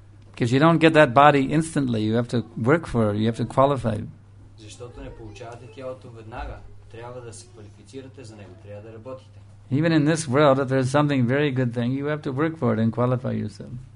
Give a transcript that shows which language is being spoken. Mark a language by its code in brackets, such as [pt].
[en] Because you don't get that body instantly. You have to work for it. You have to qualify. [bg] Защото не получавате тялото веднага. Трябва да се квалифицирате за него. Трябва да работите. [en] Even in this world, if there's something very good thing, you have to work for it and qualify yourself.